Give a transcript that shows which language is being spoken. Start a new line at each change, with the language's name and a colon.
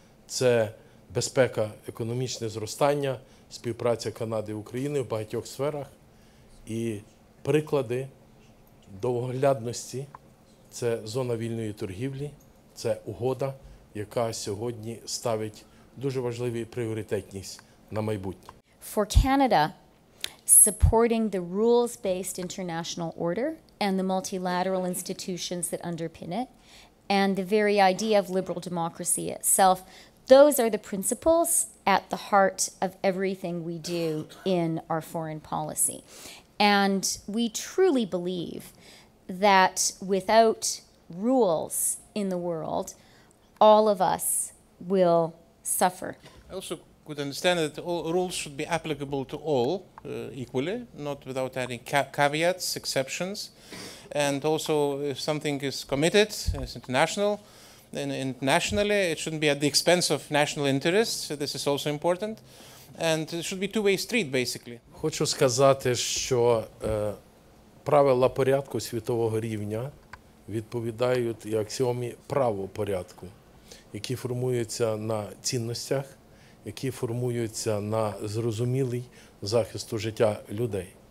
Ukrainian: Це безпека, економічне зростання, співпраця Канади і України в багатьох сферах. І приклади довгоглядності – це зона вільної торгівлі, це угода, яка сьогодні ставить дуже важливі пріоритетність на майбутнє.
English: For Canada, supporting the rules-based international order and the multilateral institutions that underpin it, and the very idea of liberal democracy itself – those are the principles at the heart of everything we do in our foreign policy. And we truly believe that without rules in the world, all of us will suffer. I also could understand that all rules should be applicable to all equally, not without adding caveats, exceptions. And also, if something is committed, it's international, then internationally, it shouldn't be at the expense of national interests. So this is also important. And it should be two-way street, basically.
Ukrainian: Хочу сказати, що правила порядку світового рівня відповідають і аксіомі правопорядку, які формуються на цінностях, які формуються на зрозумілий захисту життя людей.